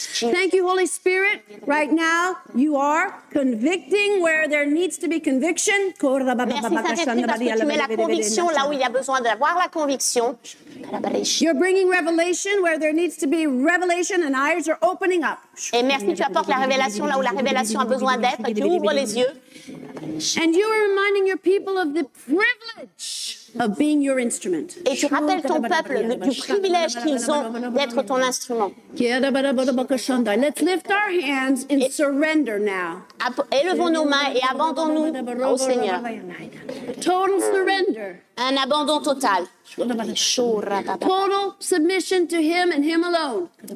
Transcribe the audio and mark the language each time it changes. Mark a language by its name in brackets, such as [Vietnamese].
[English] Thank you, Holy Spirit. Right now, you are convicting where there needs to be conviction. You're bringing revelation where there needs to be revelation and eyes are opening up. [French] Et merci, tu apportes la révélation là où la révélation a besoin d'être, tu ouvres les yeux. [English] And you are reminding your people of the privilege of being your instrument. [French] Et tu rappelles ton peuple du privilège qu'ils ont d'être ton instrument. [English] Let's lift our hands in surrender now. [French] Élevons nos mains et abandonnons-nous au Seigneur. [English] Total surrender. [French] Un abandon total. [English] Total submission to him and him alone.